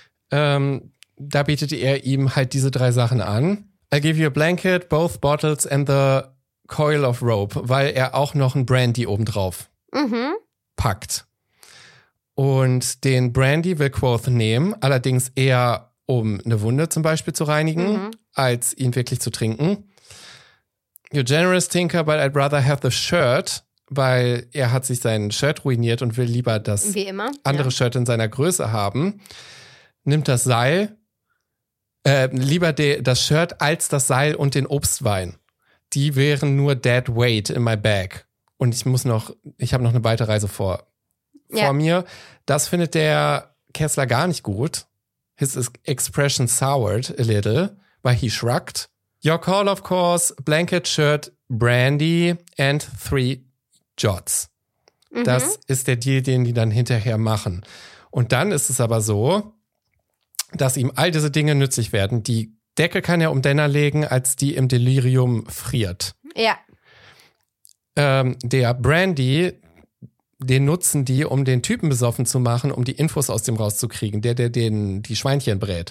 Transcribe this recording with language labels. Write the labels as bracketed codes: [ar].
[de] Da bietet er ihm halt diese drei Sachen an. [en] I give you a blanket, both bottles and the coil of rope. [de] Weil er auch noch ein Brandy obendrauf packt. Und den Brandy will Quoth nehmen, allerdings eher um eine Wunde zum Beispiel zu reinigen, als ihn wirklich zu trinken. [en] You're generous, Tinker, but I'd rather have the shirt, [de] weil er hat sich sein Shirt ruiniert und will lieber das andere Shirt in seiner Größe haben. Nimmt das Seil, das Shirt als das Seil und den Obstwein. Die wären nur [en] dead weight in my bag. [de] Und ich habe noch eine weite Reise vor. Vor mir. Das findet der Kessler gar nicht gut. [en] His expression soured a little, but he shrugged. Your call, of course, blanket, shirt, brandy and three jots. Mhm. [de] Das ist der Deal, den die dann hinterher machen. Und dann ist es aber so, dass ihm all diese Dinge nützlich werden. Die Decke kann er um Denner legen, als die im Delirium friert. Ja. Der Brandy, den nutzen die, um den Typen besoffen zu machen, um die Infos aus dem rauszukriegen, der den die Schweinchen brät.